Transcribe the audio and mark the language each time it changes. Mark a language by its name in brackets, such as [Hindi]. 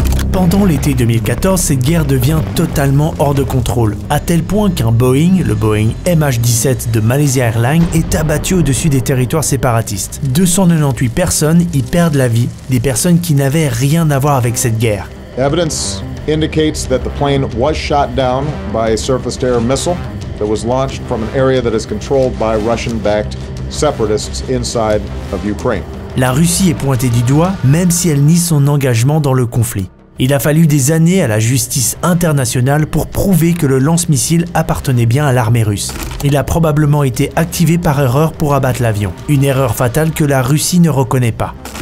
[French] Pendant l'été 2014, cette guerre devient totalement hors de contrôle, à tel point qu'un Boeing, le Boeing MH17 de Malaysia Airlines, est abattu au-dessus des territoires séparatistes. 298 personnes y perdent la vie, des personnes qui n'avaient rien à voir avec cette guerre. [English] Evidence indicates that the plane was shot down by a surface-to-air missile that was launched from an area that is controlled by Russian-backed separatists inside of Ukraine. [French] La Russie est pointée du doigt, même si elle nie son engagement dans le conflit. Il a fallu des années à la justice internationale pour prouver que le lance-missile appartenait bien à l'armée russe. Il a probablement été activé par erreur pour abattre l'avion, une erreur fatale que la Russie ne reconnaît pas.